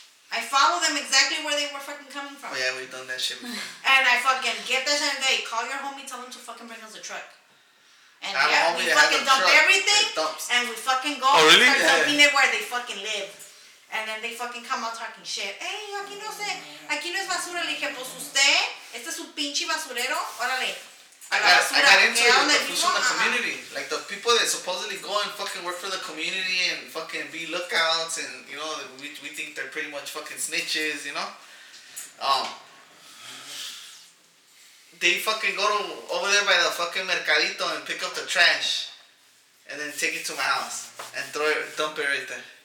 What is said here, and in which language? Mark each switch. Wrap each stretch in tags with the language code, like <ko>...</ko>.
<en>I follow them exactly where they were fucking coming from. Oh, yeah, we've done that shit before. And I fucking get that shit and they call your homie, tell him to fucking bring us a truck. And we fucking dump everything and we fucking go. Oh, really? And start dumping it where they fucking live. And then they fucking come out talking shit.</en> <es>Hey, aquí no sé. Aquí no es basura. Le dije, pues usted, este es su pinche basurero. Órale.</es> <en>I got into the community. Uh-huh. Like, the people that supposedly go and fucking work for the community and fucking be lookouts and, you know, we think they're pretty much fucking snitches, you know? They fucking go to, over there by the fucking mercadito and pick up the trash and then take it to my house and throw it, dump it right there.</en>